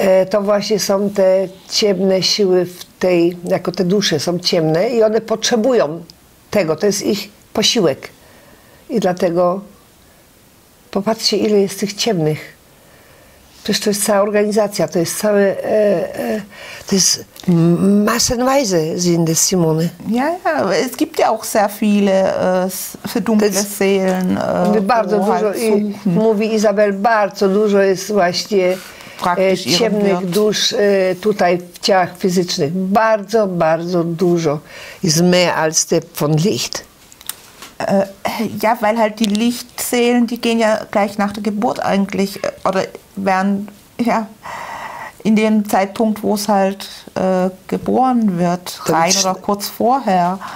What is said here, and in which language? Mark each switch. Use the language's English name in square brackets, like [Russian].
[Polish] To właśnie są te ciemne siły w tej, jako te dusze są ciemne i one potrzebują tego, to jest ich posiłek. I dlatego popatrzcie, ile jest tych ciemnych. Przecież to jest cała organizacja, to jest całe, to jest [German] massenweise sind es [Polish] Simone. [German] Ja, ja, es gibt ja auch sehr viele verdunkle Seelen. [Polish] Bardzo dużo, i mówi Isabel, bardzo dużo jest właśnie ciemnych dusz tutaj w ciałach fizycznych. Bardzo, bardzo dużo. [German] Ist mehr als der von Licht. Ja, weil halt die Lichtseelen, die gehen ja gleich nach der Geburt eigentlich, oder werden, ja, in dem Zeitpunkt, wo es halt geboren wird, rein oder kurz vorher.